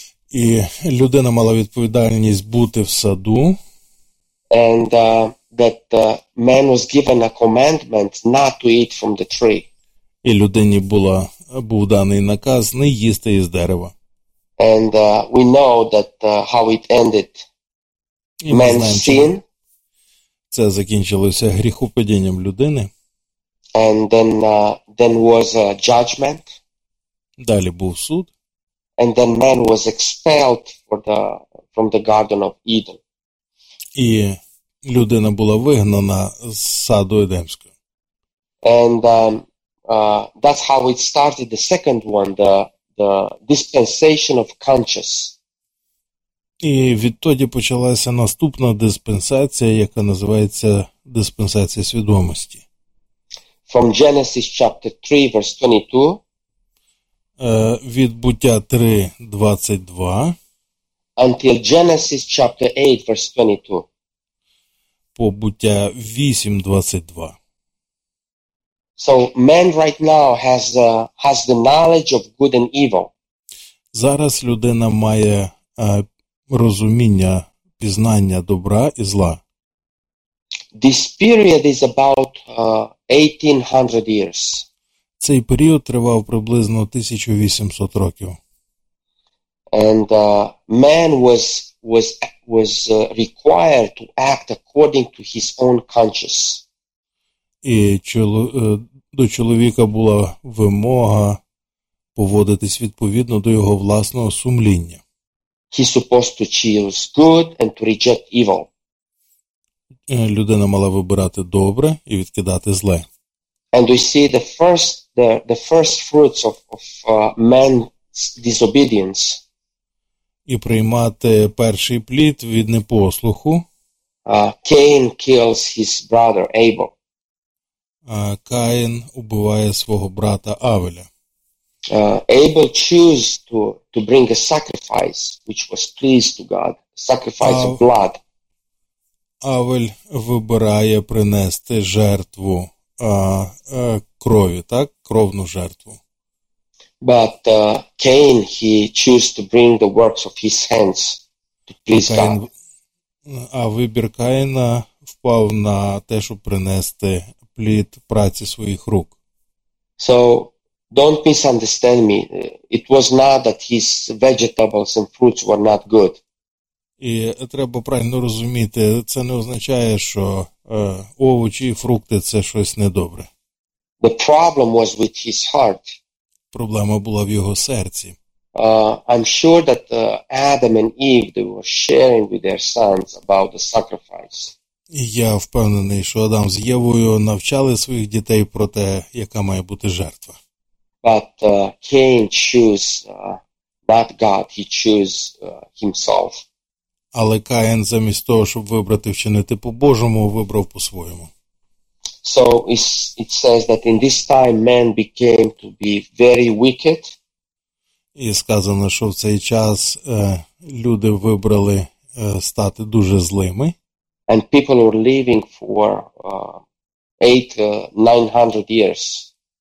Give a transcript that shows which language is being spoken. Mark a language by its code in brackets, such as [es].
[uk] І людина мала відповідальність бути в саду. [en] And man was given a commandment not to eat from the tree. [uk] І людині був даний наказ не їсти із дерева. [en] And we know that how it ended. Man's sin. [uk] Це закінчилося гріхопадінням людини. [en] And then was a judgment. [uk] Далі був суд. [en] And then man was expelled from the Garden of Eden. [uk] І людина була вигнана з саду Едемського. [en] And that's how it started the second one, the dispensation of conscience. [uk] І відтоді почалася наступна диспенсація, яка називається диспенсація свідомості. [en] From Genesis chapter 3 verse 22. [uk] Від Буття 3:22. [en] Until Genesis chapter 8 verse 22. [uk] По Буття 8:22. [en] So man right now has the knowledge of good and evil. [uk] Зараз людина має розуміння, пізнання добра і зла. [en] This period is about 1800 years. [uk] Цей період тривав приблизно 1800 років. [en] And man was required to act according to his own conscience. [uk] І до чоловіка була вимога поводитись відповідно до його власного сумління. [en] He's supposed to choose good and to reject evil. [uk] Людина мала вибирати добре і відкидати зле. [en] And we see the first fruits of man's disobedience. [uk] І приймати перший плід від непослуху. [en] Cain kills his brother Abel. [uk] Каїн убиває свого брата Авеля. [en] Abel chose to bring a sacrifice which was pleased to God, sacrifice of blood. [uk] Авель вибирає принести жертву крові, так? Кровну жертву. [en] But Cain he chose to bring the works of his hands to please God. [uk] А вибір Каїна впав на те, щоб принести плід праці своїх рук. [en] So don't misunderstand me. It was not that his vegetables and fruits were not good. [uk] І треба правильно розуміти, це не означає, що овочі і фрукти – це щось недобре. [en] The problem was with his heart. [uk] Проблема була в його серці. [en] I'm sure that Adam and Eve, they were sharing with their sons about the sacrifice. [uk] І я впевнений, що Адам з Євою навчали своїх дітей про те, яка має бути жертва. [en] But Cain chose not God, he chose himself. [uk] Але Каїн замість того, щоб вибрати вчинити по-божому, вибрав по-своєму. [en] So it says that in this time man became to be very wicked. [uk] І сказано, що в цей час люди вибрали стати дуже злими. [en] And people were living for 800-900 years.